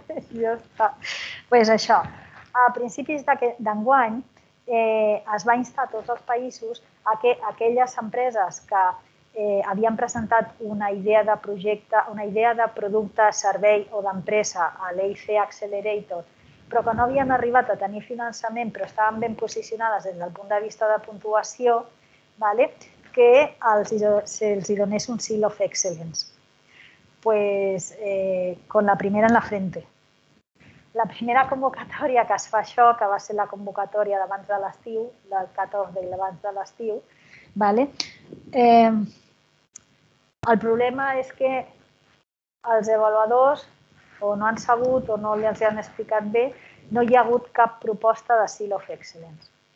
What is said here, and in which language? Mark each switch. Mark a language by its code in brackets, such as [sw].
[ca] Doncs pues això. A principis d'enguany, es va instar a tots els països a que aquelles empreses que havien presentat una idea de projecte, una idea de producte, servei o d'empresa a l'EIFE Accelerator, però que no havien arribat a tenir finançament però estaven ben posicionades des del punt de vista de puntuació, ¿vale?, que se'ls donés un Seal of Excellence. [es] Pues con la primera en la frente. [ca] La primera convocatòria que es fa això, que va ser la convocatòria d'abans de l'estiu, del 14 i l'abans de l'estiu, ¿vale? El problema és que els avaluadors o no han sabut o no els han explicat bé, no hi ha hagut cap proposta de Seal of Excellence.